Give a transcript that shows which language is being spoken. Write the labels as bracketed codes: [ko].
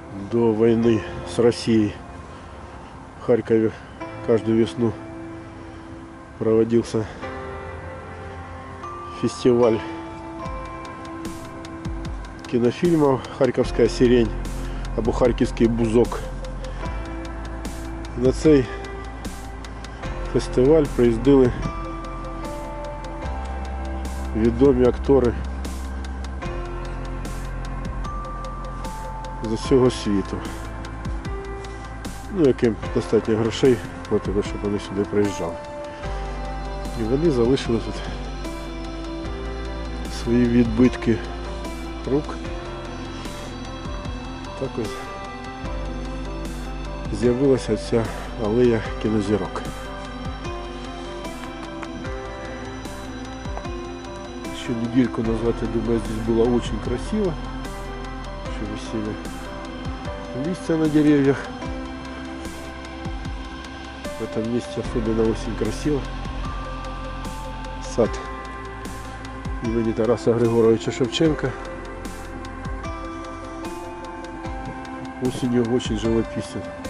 [ru] До войны с Россией в Харькове каждую весну проводился фестиваль кинофильмов «Харьковская сирень», «Абухарьковский бузок». [uk] На цей фестиваль приїздили відомі актори з усього світу, ну, яким достатньо грошей платили, щоб вони сюди приїжджали. І вони залишили тут свої відбитки рук. Так ось з'явилася ця алея кінозірок. Ще недільку назад, я думаю, тут було дуже красиво, що висіли листя на деревьях. [ru] В этом месте особенно очень красиво. Сад имени Тараса Григоровича Шевченко. Осенью очень живописен.